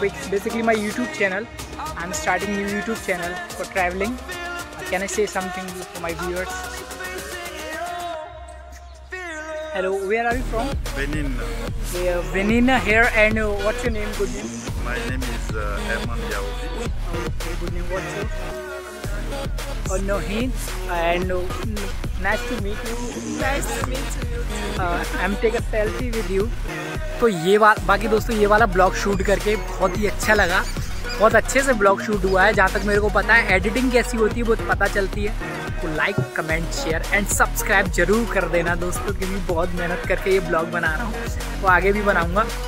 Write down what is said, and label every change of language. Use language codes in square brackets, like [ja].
[en] Basically my YouTube channel, I am starting new YouTube channel for travelling, can I say something for my viewers? Hello, where are you from? Benin. Benin here, and what's your name? Good name? My name is Edmond Yao. Okay, good name, what's your name? Nohin, and nice to meet you. Nice to meet you. I'm take a selfie with you. [hi] तो ये बाकी दोस्तों ये वाला blog shoot करके बहुत ही अच्छा लगा, बहुत अच्छे से ब्लॉग शूट हुआ है जहाँ तक मेरे को पता है, एडिटिंग कैसी होती है वो पता चलती है। तो [en] like comment share and subscribe [hi] जरूर कर देना दोस्तों, क्योंकि बहुत मेहनत करके ये ब्लॉग बना रहा हूँ, तो आगे भी बनाऊँगा।